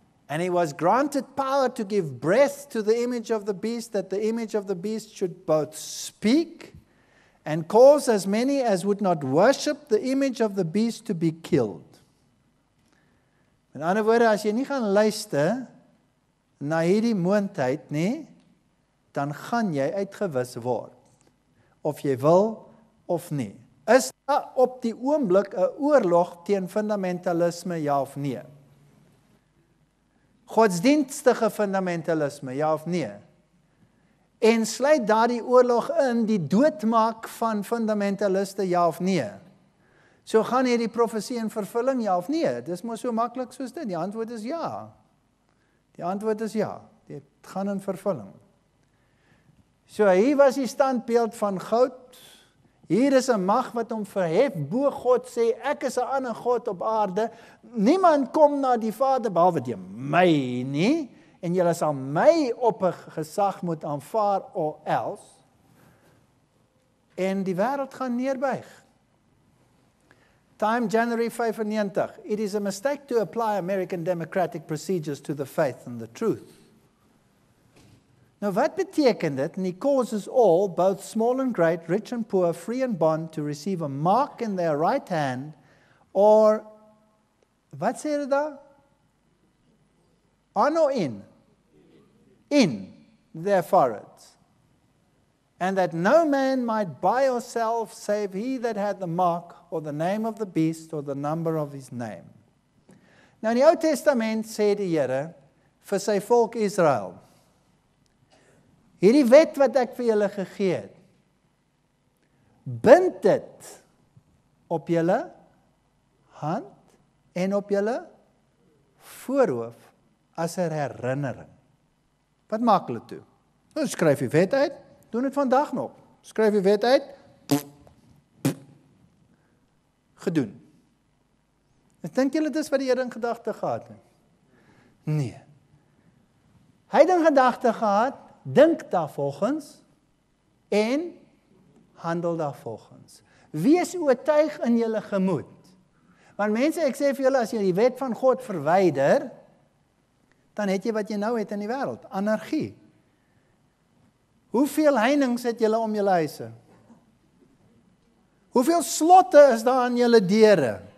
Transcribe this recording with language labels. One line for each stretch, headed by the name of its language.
English: And he was granted power to give breath to the image of the beast, that the image of the beast should both speak and cause as many as would not worship the image of the beast to be killed.
Afrikaans: In ander woorde, as jy nie gaan luister na hierdie moontheid nie, dan gaan jy uitgewis word. Of jy wil of nie. Is daar op die oomblik 'n oorlog teen fundamentalisme, ja of nee? Godsdienstige fundamentalisme, ja of nee? En sluit daar die oorlog in, die doodmaak van fundamentaliste, ja of nee? So gaan hier die profesie in vervulling, ja of nee? Dit is maar so makkelijk soos dit. Die antwoord is ja. Die antwoord is ja. Dit gaan in vervulling. So hier was die standbeeld van goud. Hier is een mag wat om verhef, boe God sê, ek is een ander God op aarde, niemand kom na die Vader, behalwe die my nie, en jylle sal my op een gesag moet aanvaar,
English: or else,
Afrikaans: en die wereld gaan neerbuig.
English: Time, January 95, it is a mistake to apply American democratic procedures to the faith and the truth.
Afrikaans: Nou wat beteken dit?
English: And he causes all, both small and great, rich and poor, free and bond, to receive a mark in their right hand, or,
Afrikaans: wat sê dit daar?
English: On or in? In their foreheads. And that no man might buy or sell, save he that had the mark, or the name of the beast, or the number of his name.
Afrikaans: Nou in die Ou Testament sê die Here, vir sy volk Israel, hierdie wet wat ek vir julle gegee het, bind dit op julle hand en op julle voorhoof as 'n herinnering. Wat maak hulle toe? Nou skryf die wet uit, doen dit vandag nog. Skryf die wet uit. Gedoen. Ek dink julle dis wat die Here in gedagte gehad het. Nee. Hy het in gedagte gehad, dink daarvolgens en handel daarvolgens. Wees oortuig in julle gemoed. Want mense, ek sê vir julle, as jy die wet van God verwyder, dan het jy wat jy nou het in die wêreld, anargie. Hoeveel heininge het julle om julle huise? Hoeveel slotte is daar aan julle deure?